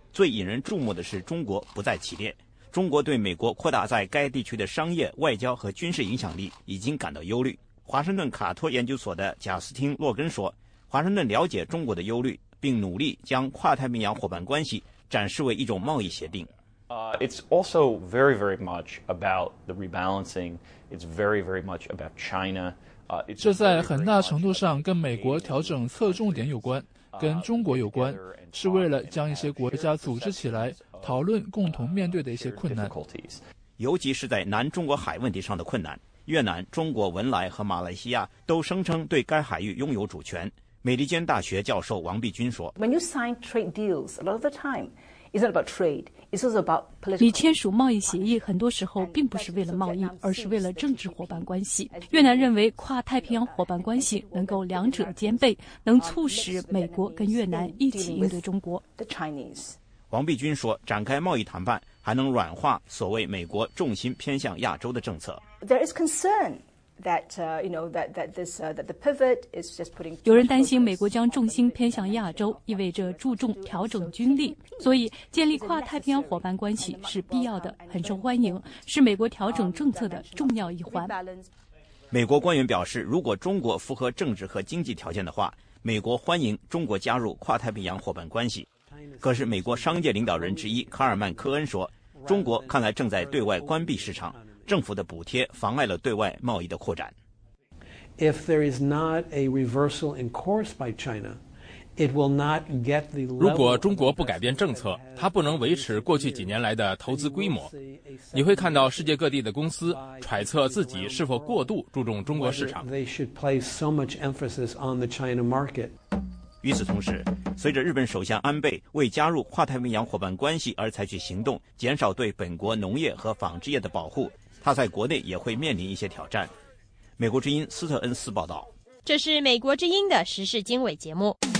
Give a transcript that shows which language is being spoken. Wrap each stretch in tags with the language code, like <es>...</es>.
<zh>最引人注目的是中国不在其列。中国对美国扩大在该地区的商业、外交和军事影响力已经感到忧虑。华盛顿卡托研究所的贾斯汀·洛根说，华盛顿了解中国的忧虑，并努力将跨太平洋伙伴关系展示为一种贸易协定。</zh> <en>It's also very, very much about the rebalancing. It's very, very much about China.</en> <zh>这在很大程度上跟美国调整侧重点有关，跟中国有关，是为了将一些国家组织起来讨论共同面对的一些困难，尤其是在南中国海问题上的困难。越南、中国、文莱和马来西亚都声称对该海域拥有主权。美利坚大学教授王碧君说，</zh> <en>When you sign trade deals, a lot of the time is not about trade, it's also about political.</en> <zh>你签署贸易协议很多时候并不是为了贸易，而是为了政治伙伴关系。越南认为跨太平洋伙伴关系能够两者兼备，能促使美国跟越南一起应对中国。王碧君说，展开贸易谈判还能软化所谓美国重心偏向亚洲的政策。</zh> <en>There is concern that you know that this that the pivot is just putting.</en> <zh>有人担心美国将重心偏向亚洲，意味着注重调整军力，所以建立跨太平洋伙伴关系是必要的，很受欢迎，是美国调整政策的重要一环。美国官员表示，如果中国符合政治和经济条件的话，美国欢迎中国加入跨太平洋伙伴关系。可是美国商界领导人之一卡尔曼·科恩说，中国看来正在对外关闭市场，政府的补贴妨碍了对外贸易的扩展。</zh> <en>If there is not a reversal in course by China, it will not get the level.</en> <zh>如果中国不改变政策，它不能维持过去几年来的投资规模。你会看到世界各地的公司揣测自己是否过度注重中国市场。</zh> <en>They should place so much emphasis on the China market.</en> <zh>与此同时，随着日本首相安倍为加入跨太平洋伙伴关系而采取行动，减少对本国农业和纺织业的保护，他在国内也会面临一些挑战。美国之音斯特恩斯报道。这是美国之音的时事经纬节目。</zh>